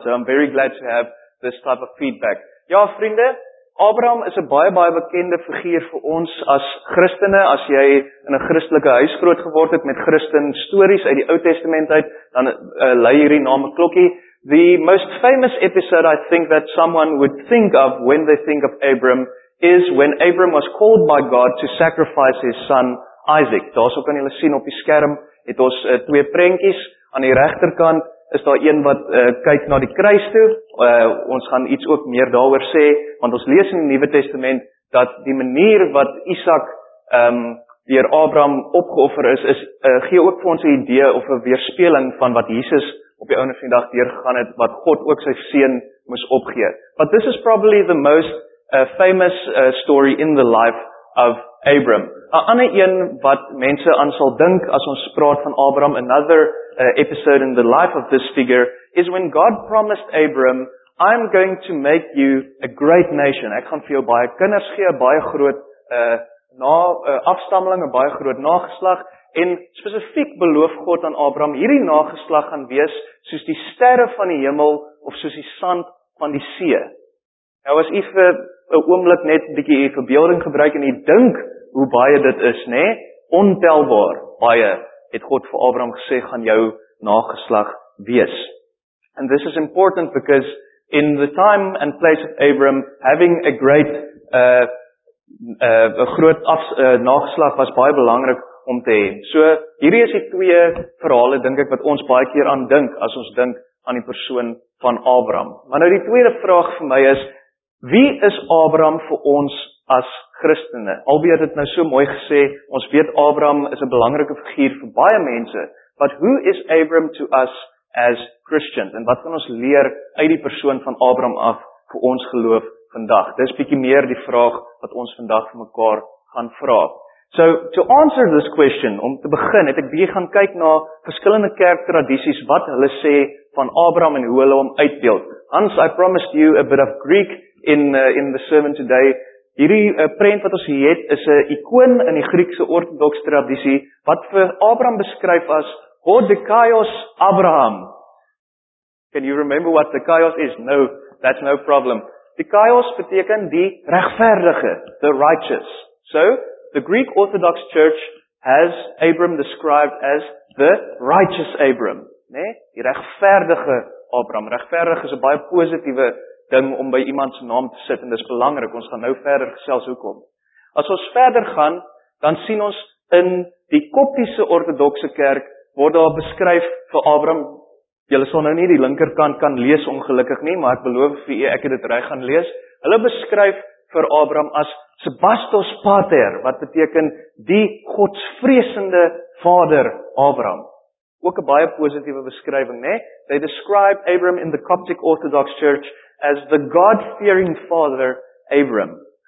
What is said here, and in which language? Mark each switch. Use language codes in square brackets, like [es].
[en] So I'm very glad to have this type of feedback. [af] Ja, vriende, Abraham is 'n baie bekende figuur vir ons as Christene. As jy in 'n Christelike huis groot geword het met Christen stories uit die Ou Testament uit, dan lei hierdie naam 'n klokkie. [en] The most famous episode I think that someone would think of when they think of Abraham is when Abram was called by God to sacrifice his son Isaac. [af] Daarso kan julle sien op die skerm, het ons twee prentjies. Aan die regterkant is daar een wat kyk na die kruis toe. Ons gaan iets ook meer daaroor sê, want ons lees in die Nuwe Testament dat die manier wat Isaac deur Abraham opgeoffer is, gee ook vir ons 'n idee of 'n weerspeeling van wat Jesus op die ouene van die dag deurgegaan het, wat God ook sy seun moes opgee. [en] But this is probably the most famous story in the life of Abram. [af] 'N ander een wat mense aan sal dink as ons praat van Abram, [en] another episode in the life of this figure, is when God promised Abram, I'm going to make you a great nation. [af] Ek gaan vir jou baie kinders gee, baie groot afstammeling, 'n baie groot nageslag, en spesifiek beloof God aan Abraham, hierdie nageslag gaan wees soos die sterre van die hemel, of soos die sand van die see. Nou as u vir 'n oomblik net 'n bietjie u verbeelding gebruik, en u dink hoe baie dit is, né? Ontelbaar baie, het God vir Abraham gesê, gaan jou nageslag wees. [en] And this is important because in the time and place of Abraham, having a great [af] nageslag was baie belangrik om te hê. So, hierdie is die twee verhale, dink ek, wat ons baie keer aan dink, as ons dink aan die persoon van Abraham. Maar nou die tweede vraag vir my is, wie is Abraham vir ons as Christene? Albeer het nou so mooi gesê, ons weet Abraham is 'n belangrike figuur vir baie mense, [en] but who is Abraham to us as Christians? [af] En wat kan ons leer uit die persoon van Abraham af vir ons geloof vandag? Dis bietjie meer die vraag wat ons vandag vir mekaar gaan vra. [en] So, to answer this question, [af] om te begin, het ek bietjie gaan kyk na verskillende kerktradisies, wat hulle sê van Abraham en hoe hulle hom uitbeeld. [en] Hans, I promised you a bit of Greek in the sermon today. [af] Hierdie prent wat ons hier het, is 'n ikoon in die Griekse orthodox tradisie, wat vir Abraham beskryf as God de Kaios Abraham. [en] Can you remember what the Kaios is? No, that's no problem. The Kaios [af] beteken die regverdige, [en] the righteous. So, the Greek Orthodox Church has Abram described as the righteous Abram. [af] Nee, die regverdige Abram. Regverdig is 'n baie positiewe ding om by iemand se naam te sit, en dis belangrik. Ons gaan nou verder gesels hoekom. As ons verder gaan, dan sien ons in die Koptiese Orthodoxe Kerk, word daar beskryf vir Abram, julle sal nou nie die linkerkant kan lees ongelukkig nie, maar ek beloof vir u, ek het dit reg gaan lees. Hulle beskryf vir Abram as Sebastos Pater, wat beteken die godsvreesende vader Abram. Ook 'n baie positiewe beskrywing, né? [en] They describe Abram in the Coptic Orthodox Church as the God-fearing father Abram.